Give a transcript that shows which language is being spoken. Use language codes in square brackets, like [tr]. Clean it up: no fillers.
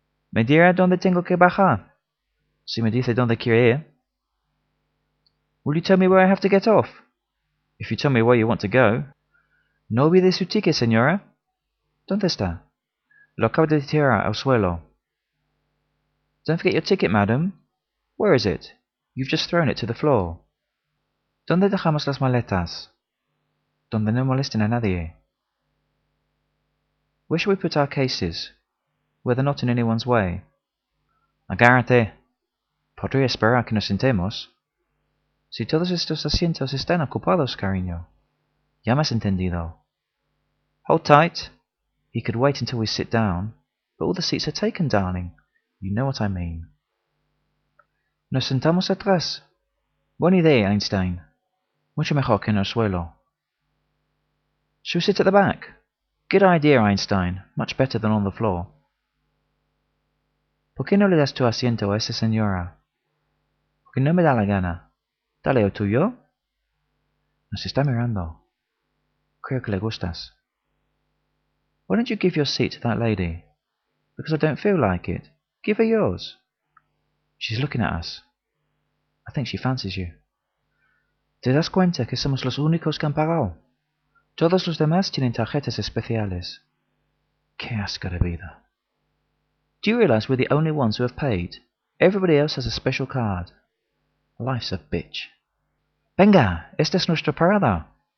[es] ¿Me dirá dónde tengo que bajar? Si me dice dónde quiere ir. [en] Will you tell me where I have to get off? If you tell me where you want to go. [es] No olvide su ticket, señora. ¿Dónde está? Lo acabo de tirar al suelo. [en] Don't forget your ticket, madam. Where is it? You've just thrown it to the floor. [es] ¿Dónde dejamos las maletas? Donde no molesten a nadie. [en] Where shall we put our cases? Where they're not in anyone's way. [es] Agárrate. ¿Podría esperar que nos sentemos? Si todos estos asientos están ocupados, cariño. Ya me has entendido. [en] Hold tight. He could wait until we sit down. But all the seats are taken, darling. You know what I mean. [es] Nos sentamos atrás. Buena idea, Einstein. Mucho mejor que en el suelo. [en] Shall we sit at the back? Good idea, Einstein. Much better than on the floor. [es] ¿Por qué no le das tu asiento a esa señora? Porque no me da la gana. Dale el tuyo. Nos está mirando. Creo que le gustas. [en] Why don't you give your seat to that lady? Because I don't feel like it. Give her yours. She's looking at us. I think she fancies you. [es] ¿Te das cuenta que somos los únicos que han pagado? Todos los demás tienen tarjetas especiales. ¡Qué asco de vida! [en] Do you realize we're the only ones who have paid? Everybody else has a special card. Life's a bitch. [es] Venga, esta es nuestra parada.